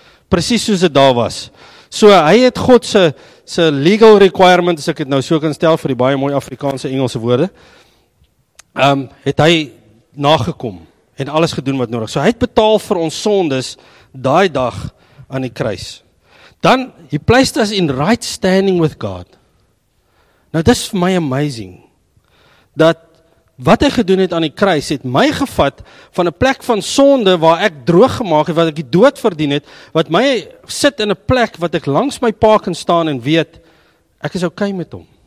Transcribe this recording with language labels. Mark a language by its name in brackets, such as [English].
[Afrikaans] Precies soos dit daar was. So hy het God se legal requirement, as ek het nou so kan stel, vir die baie mooie Afrikaanse Engelse woorde, het hy nagekom en alles gedoen wat nodig. So hy het betaal vir ons sondes daai dag aan die kruis. [English] Dan, he placed us in right standing with God. [Afrikaans] Nou, dis vir my amazing, dat wat hy gedoen het aan die kruis, het my gevat van 'n plek van sonde, waar ek droog gemaak het, wat ek die dood verdien het, wat my sit in 'n plek, wat ek langs my pa kan staan en weet, ek is okay met hom.